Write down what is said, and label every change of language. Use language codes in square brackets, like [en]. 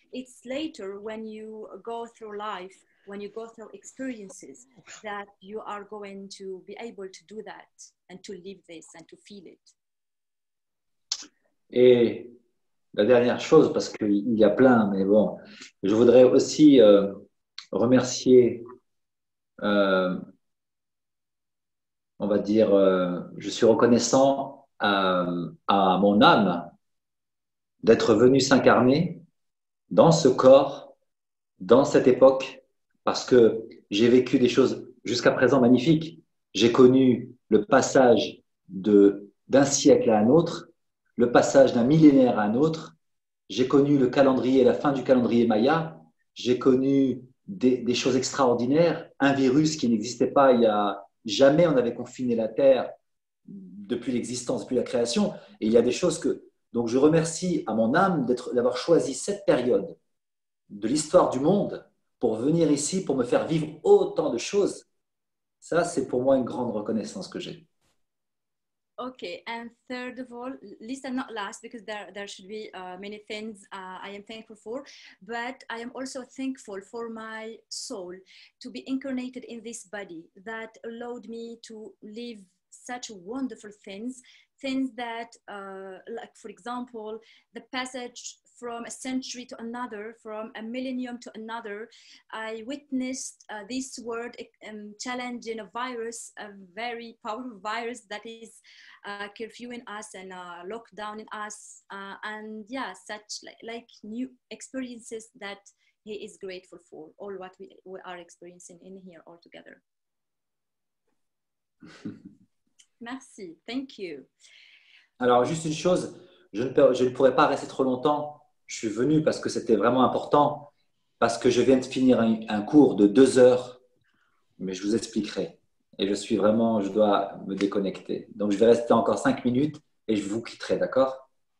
[en] It's later when you go through life, when you go through experiences, that you are going to be able to do that and to live this and to feel it. [fr] Et la dernière chose, parce qu'il y a plein, mais bon, je voudrais aussi remercier, on va dire, je suis reconnaissant à mon âme d'être venu s'incarner dans ce corps, dans cette époque, parce que j'ai vécu des choses jusqu'à présent magnifiques. J'ai connu le passage d'un siècle à un autre, le passage d'un millénaire à un autre. J'ai connu le calendrier, la fin du calendrier maya. J'ai connu des choses extraordinaires. Un virus qui n'existait pas il y a jamais. On avait confiné la Terre depuis l'existence, depuis la création. Et il y a des choses que... Donc, je remercie à mon âme d'avoir choisi cette période de l'histoire du monde pour venir ici, pour me faire vivre autant de choses. Ça, c'est pour moi une grande reconnaissance que j'ai. [en] Okay, and third of all, least and not last, because there should be many things I am thankful for, but I am also thankful for my soul to be incarnated in this body that allowed me to live such wonderful things that, like for example, the passage from a century to another, from a millennium to another, I witnessed this world challenging a virus, a very powerful virus that is curfewing us and lockdowning us. Such new experiences that he is grateful for, all what we are experiencing in here all together. [fr] Merci, [en] thank you. [fr] Alors, juste une chose, je ne pourrais pas rester trop longtemps. Je suis venu parce que c'était vraiment important, parce que je viens de finir un cours de 2 heures, mais je vous expliquerai. Et je dois me déconnecter. Donc, je vais rester encore 5 minutes et je vous quitterai, d'accord?